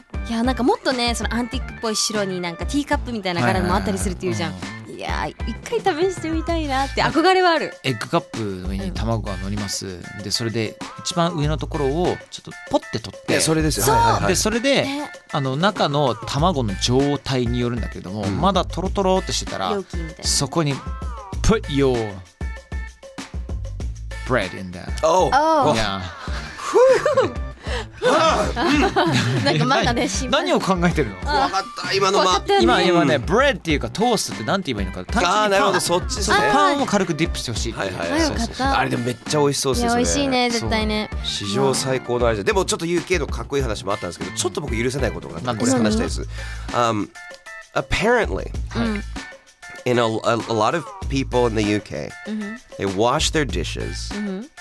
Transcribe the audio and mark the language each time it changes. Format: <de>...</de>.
<ja>いやなんかもっとねそのアンティークっぽい白になんかティーカップみたいな柄もあったりするっていうじゃん、はいはいはい、うん、いや一回試してみたいなって憧れはある。エッグカップの上に卵が乗ります、うん、でそれで一番上のところをちょっとポッて取って、それですよ、そう、はいはいはい、でそれで、ね、あの中の卵の状態によるんだけども、うん、まだトロトロってしてたら容器みたいな、そこに</ja> <en>Put your bread in there. Oh, oh. Yeah.</en> <ja>なんかまだね何を考えてるの。わかった今の、ま、今今ね、ブレッドっていうかトーストってなんて言えばいいのか、単純にパン、あーなるほどそっちですね、パンも軽くディップしてほしい、はいはい、よかった、あれでもめっちゃ美味しそうですね、美味しいね絶対ね、史上最高の味で。でもちょっと UK のかっこいい話もあったんですけど、ちょっと僕許せないことがあって、これ話したいです。</ja> <en>Apparently、はい、in a lot of people in the UK、mm-hmm. they wash their dishes、mm-hmm.</en>